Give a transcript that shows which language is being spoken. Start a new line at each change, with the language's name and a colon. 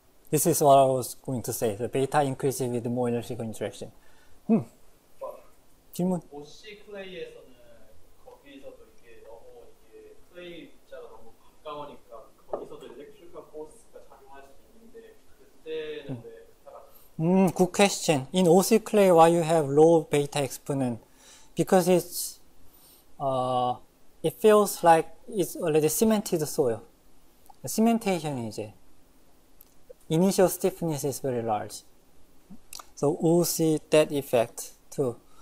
English: This is what I was going to say. The beta increases with more electrical interaction. 질문.
Korean: OC 클레이에서는 거기에서도 이게 너무 이게 클레이 입자가 너무 가까우니까 거기서도 일렉트리컬 포스가 작용할 수 있는데 그때는 왜
English: 베타가? Good question. In OC clay, why you have low beta exponent? Because it feels like it's already cemented soil. Cementation 이제 initial stiffness is very large, so we'll see that effect too.